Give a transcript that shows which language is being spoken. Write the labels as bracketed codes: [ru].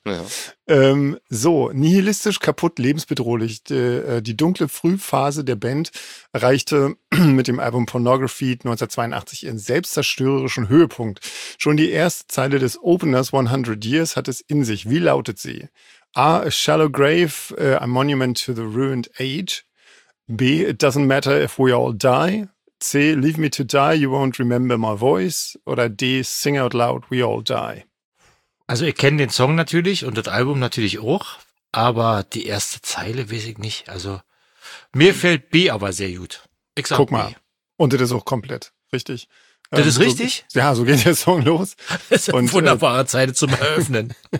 [de] Ja. So, nihilistisch kaputt, lebensbedrohlich. Die dunkle Frühphase der Band erreichte mit dem Album Pornography 1982 ihren selbstzerstörerischen Höhepunkt. Schon die erste Zeile des Openers 100 Years hat es in sich. Wie lautet sie? [en] A, a shallow grave, a monument to the ruined age. B, it doesn't matter if we all die. C, leave me to die, you won't remember my voice. Oder D, sing out loud, we all die. [de] Also ich kenne den Song natürlich und das Album natürlich auch, aber die erste Zeile weiß ich nicht. Also mir fällt B aber sehr gut. Exakt. Guck mal, und das ist auch komplett richtig. Das ist richtig? So, ja, so geht der Song los. Das ist eine wunderbare Zeile zum Eröffnen.